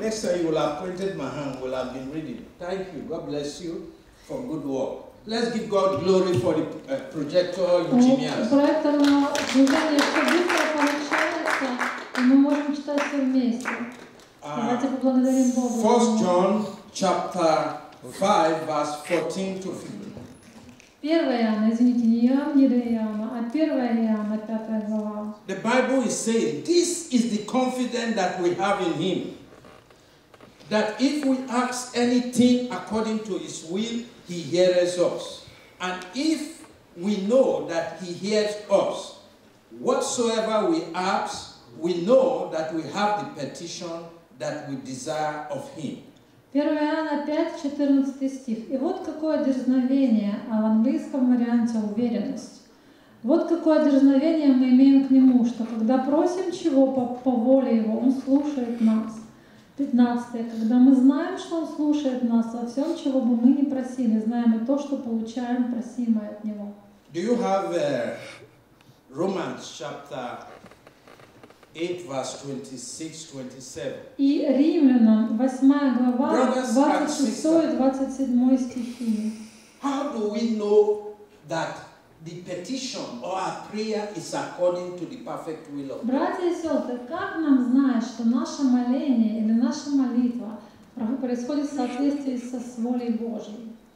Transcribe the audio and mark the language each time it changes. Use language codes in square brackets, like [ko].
[en] Next time you will have pointed my hand, will have been reading. Thank you. God bless you for good work. Let's give God glory for the projector engineers. [ru] Проектор на движение, что быстро получается. Мы можем читать все вместе. Давайте поблагодарим Бога. [en] 1 John chapter 5, verse 14 to 15. [ru] 1 Иоанна, извините, не Евангелие Иоанна, а 1 Иоанна, 5 глава. [en] The Bible is saying, this is the confidence that we have in him. That if we ask anything according to his will, he hears us. And if we know that he hears us, whatsoever we ask, we know that we have the petition that we desire of him. [ru] 1 Иоанна 5, 14 стих. И вот какое дерзновение, а в английском варианте уверенность. Вот какое дерзновение мы имеем к нему, что когда просим чего по воле его, он слушает нас. 15. Когда мы знаем, что он слушает нас во всем, чего бы мы ни просили, знаем и то, что получаем просимое от него. [en] Do you have Romans chapter 8, verse 26-27. [ru] И Римлянам, 8 глава, 26-27 стихи. [en] How do we know that the petition or our prayer is according to the perfect will of God? [ru] Братья и сестры, как нам знать, что наше моление или наша молитва происходит в соответствии со волей Божьей?